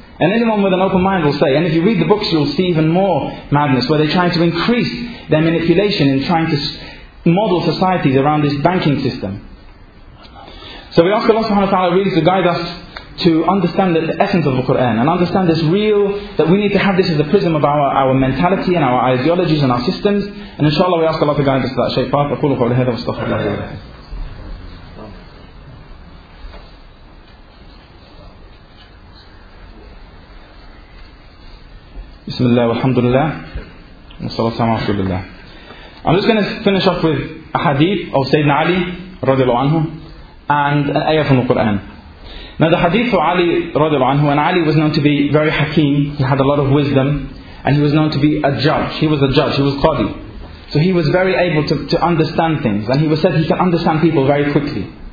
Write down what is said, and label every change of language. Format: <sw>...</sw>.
<en>And anyone with an open mind will say, and if you read the books, you'll see even more madness, where they're trying to increase their manipulation in trying to model societies around this banking system. So we ask Allah subhanahu wa ta'ala really to guide us to understand the essence of the Qur'an, and understand this real, that we need to have this as a prism of our mentality and our ideologies and our systems. And inshallah we ask Allah to guide us to that shaykh path.</en> <ar>أقول قول هذا واستغفر الله لي ولكم. بسم الله والحمد لله والصلاة والسلام على رسول الله.</ar> <en>I'm just going to finish off with a hadith of Sayyidina Ali</en> <ar>رضي الله عنه</ar> <en>and an ayah from the Qur'an. Now the hadith of Ali</en> <ar>رضي الله عنه,</ar> <en>and Ali was known to be very hakim, he had a lot of wisdom, and he was known to be a judge. He was a judge, he was qadi. So he was very able to understand things, and he was said he can understand people very quickly.</en>